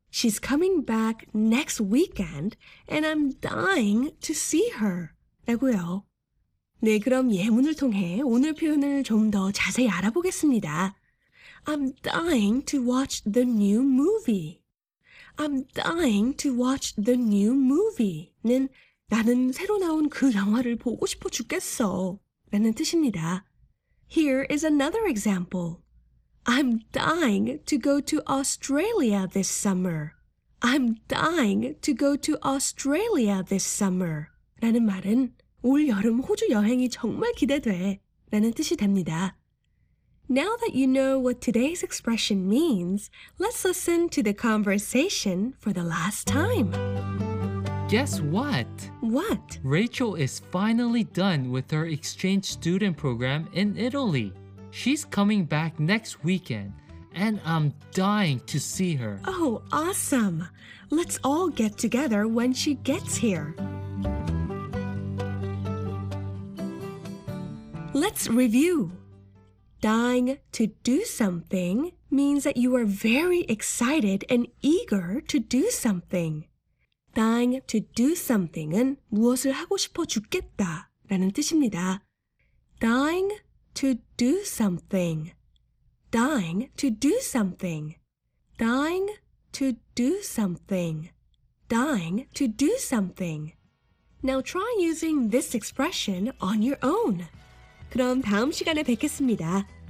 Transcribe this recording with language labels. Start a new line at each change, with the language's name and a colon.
English: She's coming back next weekend and I'm dying to see her.
Korean: 라고요. 네, 그럼 예문을 통해 오늘 표현을 좀 더 자세히 알아보겠습니다.
English: I'm dying to watch the new movie. I'm dying to watch the new movie는
Korean: 나는 새로 나온 그 영화를 보고 싶어 죽겠어 라는 뜻입니다.
English: Here is another example. I'm dying to go to Australia this summer. I'm dying to go to Australia this summer.
Korean: 라는 말은 올 여름 호주 여행이 정말 기대돼 라는 뜻이 됩니다.
English: Now that you know what today's expression means, let's listen to the conversation for the last time. Guess what? What? Rachel is finally done with her exchange student program in Italy. She's coming back next weekend, and I'm dying to see her. Oh, awesome. Let's all get together when she gets here. Let's review. Dying to do something means that you are very excited and eager to do something. Dying to do something은
Korean: 무엇을 하고 싶어 죽겠다 라는 뜻입니다.
English: Dying to do something. Dying to do something. Dying to do something. Dying to do something. Now try using this expression on your own.
Korean: 그럼 다음 시간에 뵙겠습니다.